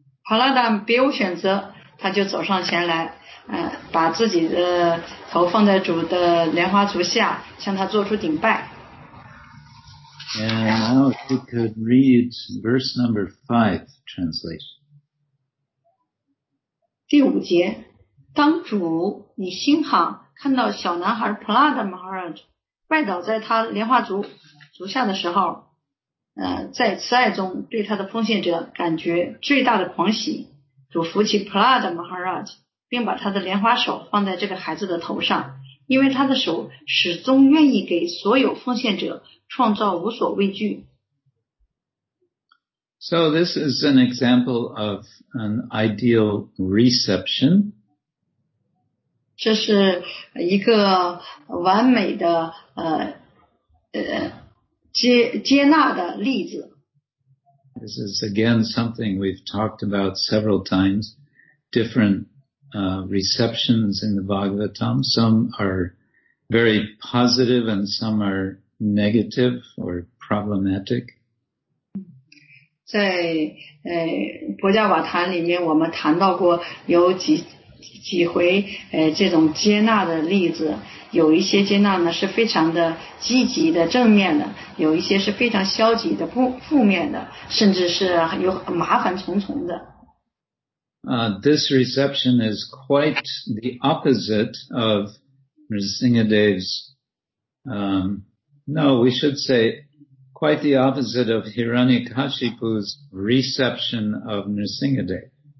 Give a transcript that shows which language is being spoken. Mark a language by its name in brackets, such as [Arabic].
[Chinese] Prahlad 别无选择，他就走上前来，把自己的头放在主的莲花足下，向他做出顶拜。 [English] And now if we could read verse number 5 translation. [Chinese] 第五节，当主你心海看到小男孩 Prahlad Maharaj 拜倒在他莲花足下的时候，在慈爱中对他的奉献者感觉最大的狂喜，主扶起 Prahlad Maharaj 并把他的莲花手放在这个孩子的头上，因为他的手始终愿意给所有奉献者创造无所畏惧。 [English] So this is an example of an ideal reception. [Chinese] 这是一个完美的接纳的例子。 [English] This is again something we've talked about several times. Different receptions in the Bhagavatam. Some are very positive and some are negative or problematic. [Chinese] 在婆伽瓦坛里面我们谈到过有几回这种接纳的例子，有一些接纳呢是非常的积极的正面的，有一些是非常消极的负面的，甚至是有麻烦重重的。 [English] This reception is quite the opposite of Nrisimhadev's, quite the opposite of Hiranyakashipu's reception of Nrisimhadev.